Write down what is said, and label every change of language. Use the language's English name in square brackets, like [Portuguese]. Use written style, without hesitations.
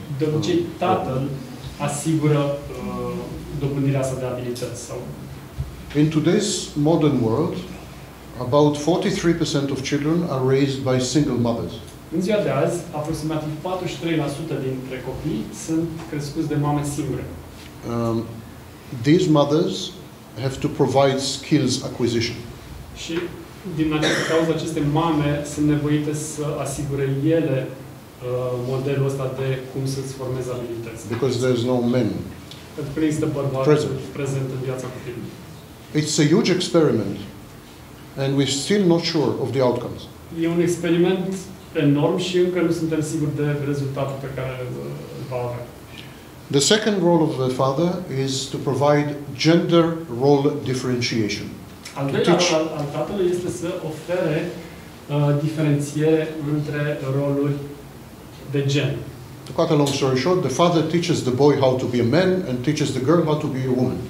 [Romanian] De obicei, tatăl asigură dobândirea asta de abilități sau. [English] In today's modern world, about 43% of children are raised by single mothers. [Romanian] În ziua de azi, aproximativ 43% dintre copii sunt crescuți de mame singure. [English] These mothers have to provide skills acquisition. [Romanian] Și din această cauză, aceste mame sunt nevoite să asigure ele modelul ăsta de cum să-ți formeze abilități. [English] Because there's no men. [Romanian] Pentru că există bărbați prezent în viața copilului. [English] It's a huge experiment, and we're still not sure of the outcomes. [Romanian] E un experiment enorm și încă nu suntem siguri de rezultatul pe care îl va avea. [English] The second role of the father is to provide gender role differentiation. [Romanian] Al doilea rol al tatălui este să ofere diferențiere între roluri de gen. [English] To cut a long story short, the father teaches the boy how to be a man and teaches the girl how to be a woman.